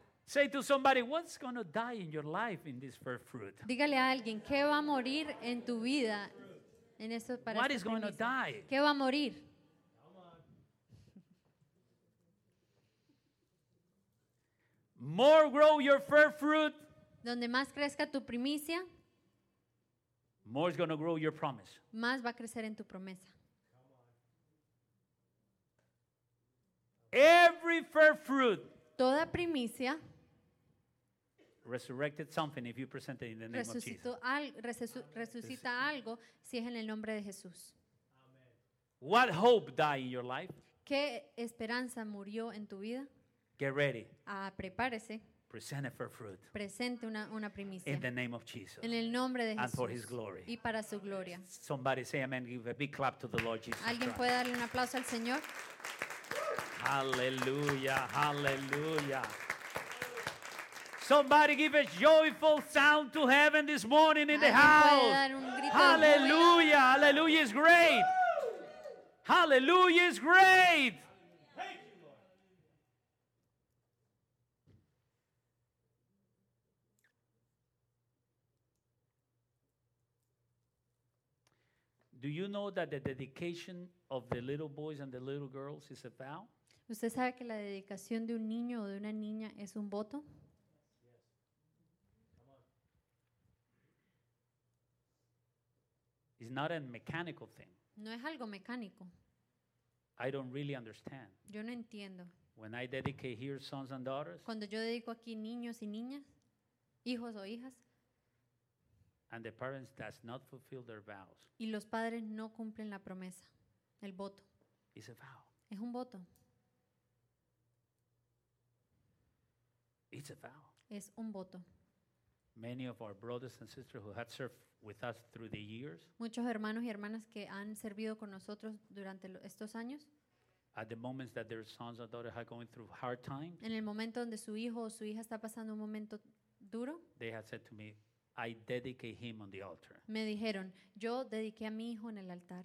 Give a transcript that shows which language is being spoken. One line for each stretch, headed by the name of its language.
English: Say to somebody, what's going to die in your life in this first fruit?
Spanish: Dígale a alguien, ¿qué va a morir en tu vida en esto para
English: What is going to die?
Spanish: ¿Qué va a morir?
English: More grow your first fruit.
Spanish: Donde más crezca tu primicia.
English: More is going to grow your promise.
Spanish: Más va a crecer en tu promesa.
English: Every first fruit.
Spanish: Toda primicia.
English: Resurrected something if you present it in the name of Jesus.
Spanish: Resucita algo si es en el nombre de Jesús.
English: Amen. What hope died in your life?
Spanish: ¿Qué esperanza murió en tu vida?
English: Get ready.
Spanish: Prepárese.
English: Present a first fruit.
Spanish: Presente una primicia.
English: In the name of Jesus.
Spanish: En el nombre de Jesús.
English: And for His glory.
Spanish: Y para su gloria.
English: Somebody say amen. Give a big clap to the Lord Jesus.
Spanish: ¿Alguien puede darle un aplauso al Señor?
English: Hallelujah, hallelujah. Somebody give a joyful sound to heaven this morning in the house. Hallelujah, hallelujah is great. Hallelujah is great. Do you know that the dedication of the little boys and the little girls is a vow?
Spanish: ¿Usted sabe que la dedicación de un niño o de una niña es un voto?
English: It's not a mechanical thing.
Spanish: No es algo mecánico.
English: I don't really understand.
Spanish: Yo no entiendo.
English: When I dedicate here sons and daughters,
Spanish: cuando yo dedico aquí niños y niñas, hijos o hijas,
English: and the parents does not fulfill their vows.
Spanish: Y los padres no cumplen la promesa, el voto.
English: It's a vow.
Spanish: Es un voto.
English: It's a vow.
Spanish: Es un voto.
English: Many of our brothers and sisters who had served with us through the years.
Spanish: Muchos hermanos y hermanas que han servido con nosotros durante estos años.
English: At the moments that their sons or daughters are going through hard times.
Spanish: En el momento donde su hijo o su hija está pasando un momento duro.
English: They had said to me, I dedicate him on the altar.
Spanish: Me dijeron, yo dediqué a mi hijo en el altar.